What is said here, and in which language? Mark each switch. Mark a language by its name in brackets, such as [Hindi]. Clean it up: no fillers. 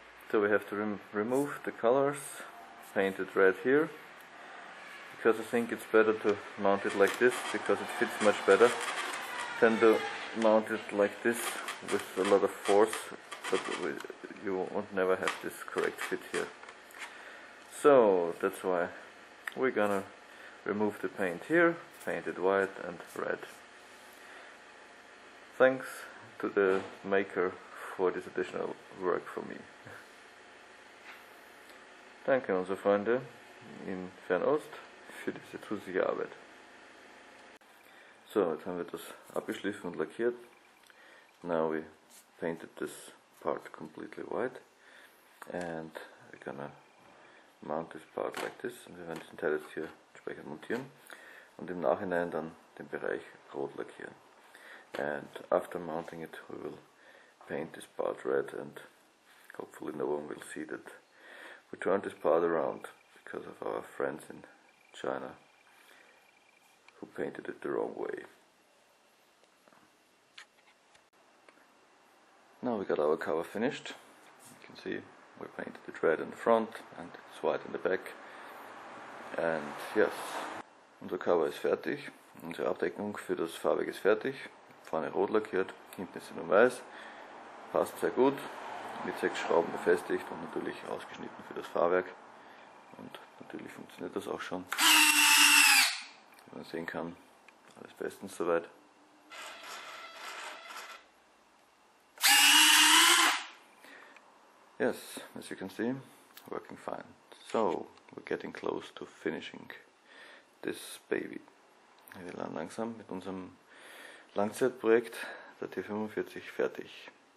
[English] So we have to remove the colors, paint it red here, because I think it's better to mount it like this, because it fits much better than to mount it like this with a lot of force, but you won't never have this correct fit here. So that's why we're gonna remove the paint here, paint it white and red. Thanks to the maker for this additional work for me. [German] Danke, unsere Freunde in Fernost, für diese zusätzliche Arbeit. So, jetzt haben wir das abgeschliffen und lackiert. [English] Now we painted this part completely white. And we're gonna mount this part like this. [German] Und wir werden diesen Teil jetzt hier entsprechend montieren. Und im Nachhinein dann den Bereich rot lackieren. [English] And after mounting it, we will paint this part red. And hopefully no one will see that. We turned this part around because of our friends in China who painted it the wrong way. Now we got our cover finished. You can see we painted it red in the front and it's white in the back. [German] And yes, unser Cover ist fertig. Unsere Abdeckung für das Fahrwerk ist fertig. Vorne rot lackiert, hinten ist sie nun weiß. Passt sehr gut. Mit 6 Schrauben befestigt und natürlich ausgeschnitten für das Fahrwerk. Und natürlich funktioniert das auch schon. man sehen kann. Alles bestens soweit. [English] Yes, as you can see, working fine. So, we're getting close to finishing this baby. [German] Wir werden langsam mit unserem Langzeitprojekt der T45 fertig.